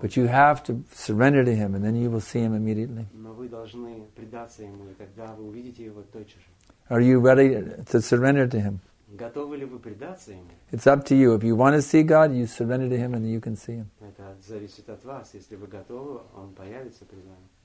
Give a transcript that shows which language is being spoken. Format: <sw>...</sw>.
<en>But you have to surrender to Him, and then you will see Him immediately.</en> <ru>Но вы должны предаться Ему, и тогда вы увидите Его тотчас же.</ru> <en>Are you ready to surrender to Him?</en> <ru>Готовы ли вы предаться Ему?</ru> <en>It's up to you. If you want to see God, you surrender to Him, and you can see Him.</en> <ru>Это зависит от вас. Если вы готовы, Он появится перед вами.</ru>